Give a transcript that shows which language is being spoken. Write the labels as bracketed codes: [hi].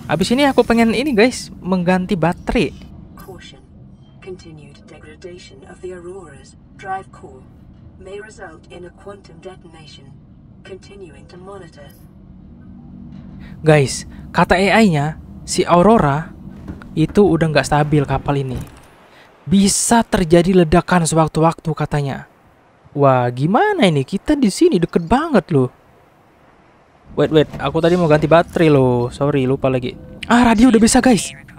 [id] Abis ini aku pengen ini, guys, mengganti baterai. [en] Caution. Continued degradation of the Aurora's drive core may result in a quantum detonation. Continuing to monitor. [id] Guys, kata AI-nya, si Aurora itu udah nggak stabil kapal ini. Bisa terjadi ledakan sewaktu-waktu katanya. Wah, gimana ini? Kita di sini deket banget loh. Wait, aku tadi mau ganti baterai loh. Sorry, lupa lagi. Ah, radio udah bisa, guys.